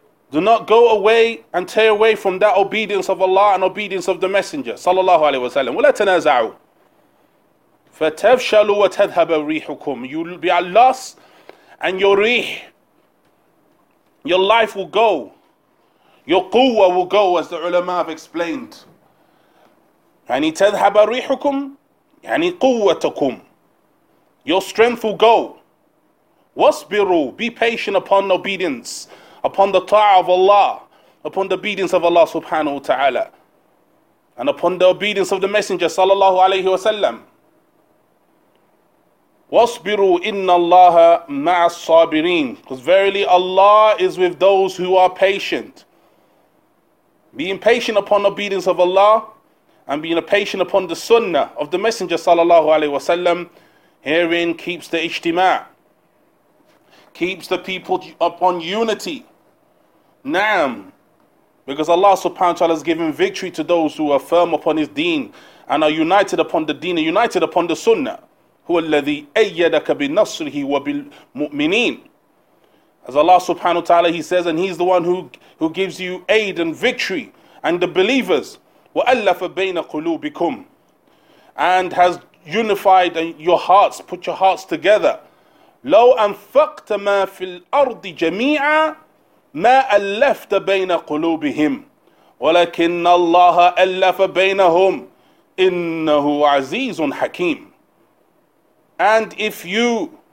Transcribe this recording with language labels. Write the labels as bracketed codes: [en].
[en] Do not go away and tear away from that obedience of Allah and obedience of the Messenger sallallahu alayhi wa sallam. [ar] وَلَا تَنَازَعُوا. فَتَفْشَلُوا وَتَذْهَبَ رِيحُكُمْ. [en] You will be at loss. And your rih, your life will go. Your quwwah will go, as the ulama have explained. [ar] يعني تذهب ريحكم يعني قوتكم. [en] Your strength will go. واصبروا. Be patient upon obedience, upon the ta'ah of Allah, upon the obedience of Allah subhanahu wa ta'ala, and upon the obedience of the Messenger sallallahu alayhi wa sallam. [ar] وَاصْبِرُوا إِنَّ اللَّهَ مَعَ الصَّابِرِينَ. [en] Because verily Allah is with those who are patient. Being patient upon obedience of Allah and being patient upon the sunnah of the Messenger sallallahu alayhi wa sallam, herein keeps the ijtima', keeps the people upon unity. Na'am. Because Allah subhanahu wa ta'ala has given victory to those who are firm upon his deen and are united upon the deen and united upon the sunnah. [ar] هو الذي أيدك بنصره وبالمؤمنين. [en] As Allah subhanahu wa ta'ala, he says, and he's the one who gives you aid and victory and the believers. [ar] وَأَلَّفَ بَيْنَ قُلُوبِكُمْ. [en] And has unified your hearts, put your hearts together. [ar] لَوْ أَنْفَقْتَ مَا فِي الْأَرْضِ جَمِيعًا مَا أَلَّفْتَ بَيْنَ قُلُوبِهِمْ وَلَكِنَّ اللَّهَ أَلَّفَ بَيْنَهُمْ إِنَّهُ عَزِيزٌ حَكِيمٌ. [en] And if you